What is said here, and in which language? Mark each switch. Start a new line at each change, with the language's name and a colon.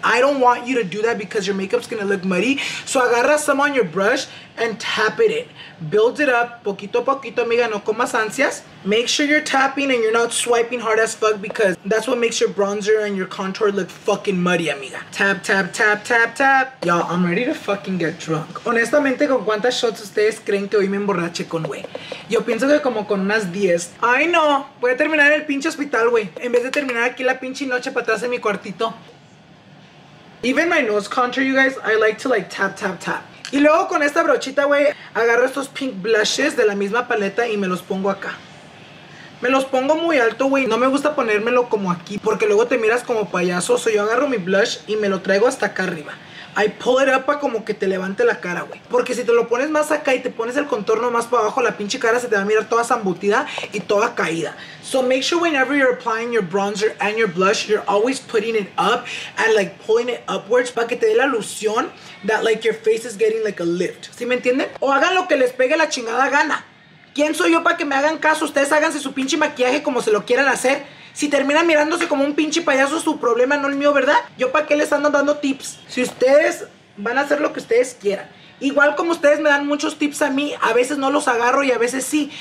English: I don't want you to do that because your makeup's gonna look muddy. So agarra some on your brush and tap it in. Build it up
Spanish: poquito a poquito, amiga, no comas ansias.
English: Make sure you're tapping and you're not swiping hard as fuck, because that's what makes your bronzer and your contour look fucking muddy, amiga. Tap, tap, tap, tap, tap. Y'all, I'm ready to fucking get drunk.
Spanish: Honestamente, ¿con cuántas shots ustedes creen que hoy me emborrache con, güey? Yo pienso que como con unas 10. ¡Ay, no! Voy a terminar en el pinche hospital, güey. En vez de terminar aquí la pinche noche para atrás en mi cuartito.
English: Even my nose contour, you guys, I like to, like, tap, tap,
Spanish: tap. Y luego con esta brochita, güey, agarro estos pink blushes de la misma paleta y me los pongo acá. Me los pongo muy alto, güey. No me gusta ponérmelo como aquí, porque luego te miras como payaso. So yo agarro mi blush y me lo traigo hasta acá arriba.
English: I pull it up
Spanish: para como que te levante la cara, güey. Porque si te lo pones más acá y te pones el contorno más para abajo, la pinche cara se te va a mirar toda zambutida y toda caída.
English: So make sure whenever you're applying your bronzer and your blush, you're always putting it up and, like, pulling it upwards
Spanish: para que te dé la ilusión
English: that, like, your face is getting, like, a lift.
Spanish: ¿Sí me entienden? O hagan lo que les pegue la chingada gana. ¿Quién soy yo para que me hagan caso? Ustedes háganse su pinche maquillaje como se lo quieran hacer. Si terminan mirándose como un pinche payaso, es su problema, no el mío, ¿verdad? ¿Yo para qué les ando dando tips? Si ustedes van a hacer lo que ustedes quieran. Igual como ustedes me dan muchos tips a mí, a veces no los agarro y a veces sí.